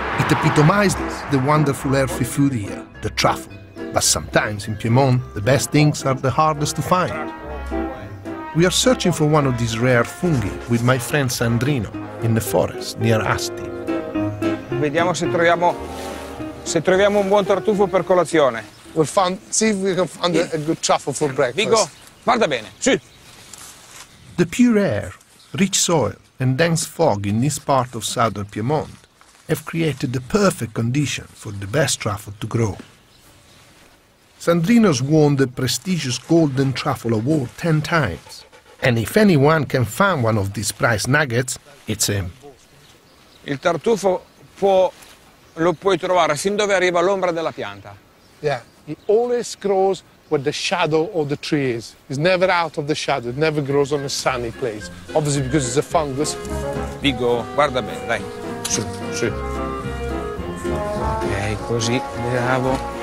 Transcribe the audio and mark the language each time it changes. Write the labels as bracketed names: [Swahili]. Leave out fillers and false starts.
[English] It epitomizes the wonderful earthy food here, the truffle. But sometimes in Piedmont, the best things are the hardest to find. We are searching for one of these rare funghi with my friend Sandrino in the forest near Asti. [Italian] Vediamo se troviamo. Se troviamo un buon tartufo per colazione. [English] We'll find, see if we can find a good truffle for breakfast. [Italian] Vigo, guarda bene, sì. [English] The pure air, rich soil and dense fog in this part of southern Piedmont have created the perfect condition for the best truffle to grow. Sandrino's won the prestigious Golden Truffle Award 10 times. And if anyone can find one of these prize nuggets, it's him. [Italian] Il tartufo può... Lo puoi trovare sin dove arriva l'ombra della pianta. [English] Yeah, it always grows where the shadow of the tree is. It's never out of the shadow, it never grows on a sunny place. Obviously because it's a fungus. [Italian] Vigo, guarda bene, dai. Su, su. Ok, così, bravo.